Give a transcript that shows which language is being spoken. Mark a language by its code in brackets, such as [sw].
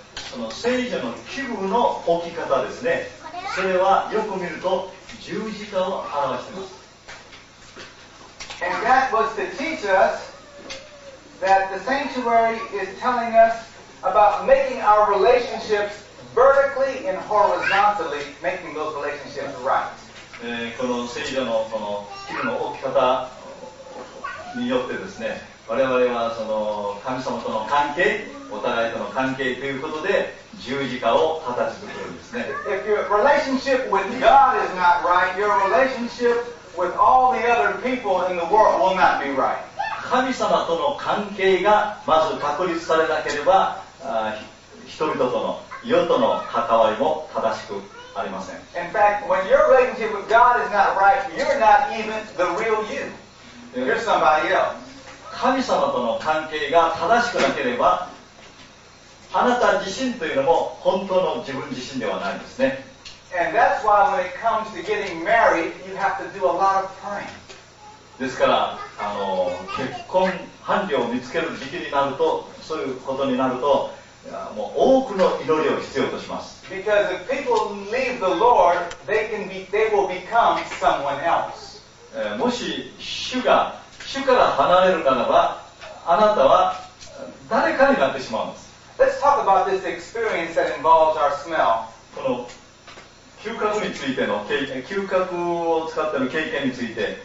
[ja] その聖所の器具の置き方ですね。それはよく見ると十字架を表しています。 [en] And that was to teach us that the sanctuary is telling us. About making our relationships vertically and horizontally, making those relationships right. [ja] この聖書のこの器具の置き方によってですね、我々はその神様との関係、お互いとの関係ということで十字架を果たすということですね。 [en] If your relationship with God is not right, your relationship with all the other people in the world will not be right. [ja] 神様との関係がまず確立されなければ、人々との世との関わりも正しくありません。 [en] In fact, when your relationship with God is not right, you're not even the real you. You're somebody else. [ja] 神様との関係が正しくなければ、あなた自身というのも本当の自分自身ではないんですね。 [en] And that's why when it comes to getting married, you have to do a lot of praying. [ja] ですから結婚伴侶を見つける時期になると、そういうことになると、もう多くの祈りを必要とします。 [en] Because if people leave the Lord, they will become someone else. [ja] もし主から離れるならば、あなたは誰かになってしまうんです。 [en] Let's talk about this experience that involves our smell. [ja] この嗅覚についての嗅覚を使っての経験について、